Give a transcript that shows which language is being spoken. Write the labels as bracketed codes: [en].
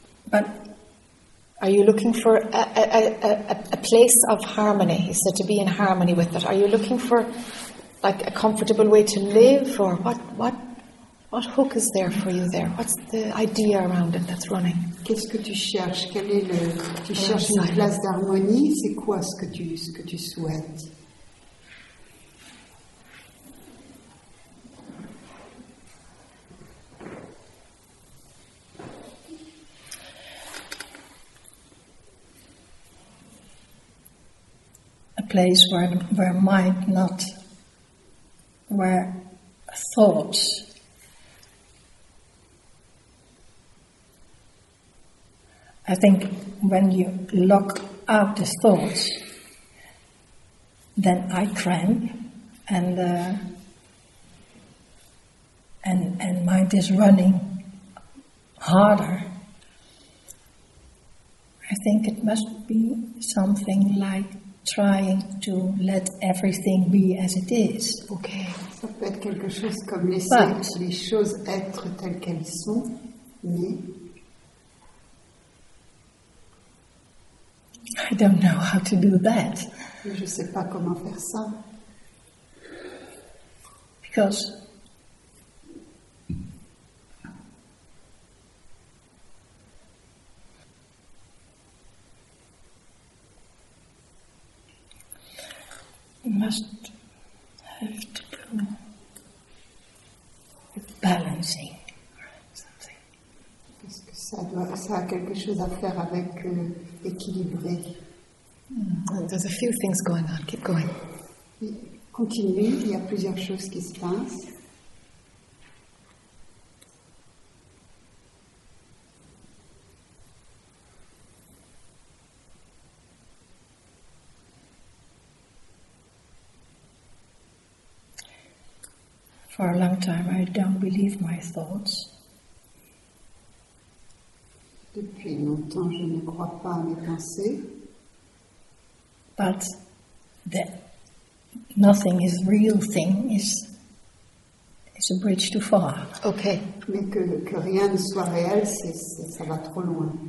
[en] But are you looking for a place of harmony? You said to be in harmony with it. Are you looking for like a comfortable way to live, or what hook is there for you there? What's the idea around it that's running? [fr] Qu'est-ce que tu cherches? Quel est le? Tu cherches une place d'harmonie? C'est quoi ce que tu souhaites? [en] Place where mind not, where thoughts I think when you lock out the thoughts then I cramp and mind is running harder. I think it must be something like trying to let everything be as it is. Okay. [fr] Ça peut être quelque chose comme laisser les choses être telles qu'elles sont, mais [en] I don't know how to do that. [fr] Je ne sais pas comment faire ça. [en] Because must have to do with balancing something. [fr] Parce que ça a quelque chose à faire avec équilibrer. [en] There's a few things going on. Keep going. [fr] Continue. Il y a plusieurs choses qui se passent. [en] For a long time, I don't believe my thoughts. [fr] Depuis longtemps, je ne crois pas à mes pensées. [en] But that nothing is real thing is a bridge too far. Okay. [fr] Mais que rien ne soit réel, c'est ça va trop loin.